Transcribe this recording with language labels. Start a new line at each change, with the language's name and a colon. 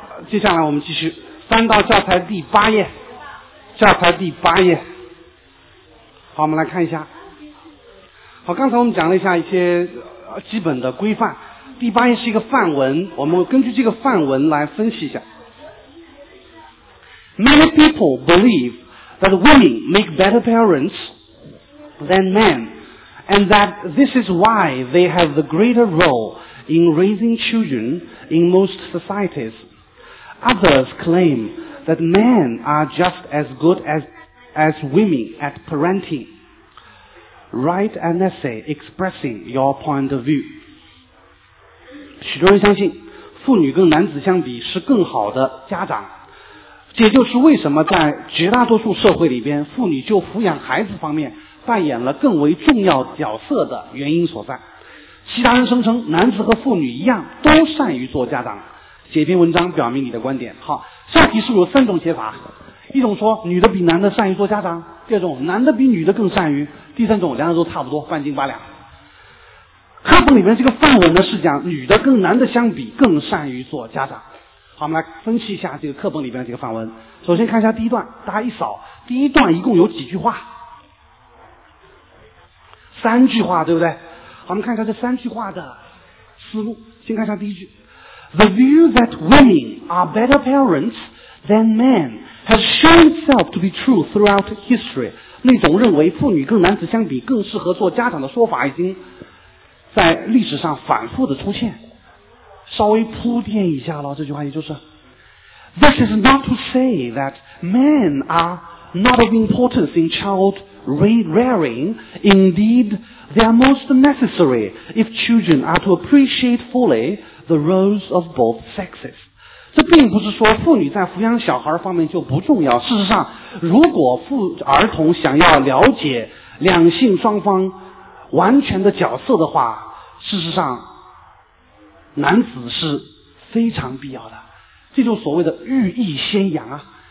Chinese: 接下来我们继续翻到教材第八页，教材第八页。好，我们来看一下。好，刚才我们讲了一下一些基本的规范，第八页是一个范文，我们根据这个范文来分析一下。
English: Many people believe that women make better parents than men, and that this is why they have the greater role in raising children in most societies. Others claim that men are just as good as women at parenting. Write an essay expressing your point of view.
Chinese: 许多人相信，妇女跟男子相比是更好的家长。也就是为什么在绝大多数社会里边，妇女就抚养孩子方面扮演了更为重要角色的原因所在。其他人声称男子和妇女一样都善于做家长，写篇文章表明你的观点。好，下题是有三种写法，一种说女的比男的善于做家长，第二种男的比女的更善于，第三种两者都差不多，半斤八两。课本里面这个范文呢是讲女的跟男的相比更善于做家长。好，我们来分析一下这个课本里面的这个范文。首先看一下第一段，大家一扫，第一段一共有几句话？三句话，对不对？好，我们看一下这三句话的思路。先看一下第一句，
English: The view that women are better parents than men has shown itself to be true throughout history.
Chinese: 那种认为妇女跟男子相比更适合做家长的说法已经在历史上反复的出现。稍微铺垫一下了，这句话也就是
English: This is not to say that men are not of importance in child rearing. Indeed, they are most necessary if children are to appreciate fully the roles of both sexes.
Chinese: 这并不是说妇女在抚养小孩方面就不重要，事实上如果儿童想要了解两性双方完全的角色的话，事实上男子是非常必要的，这就是所谓的欲抑先扬啊！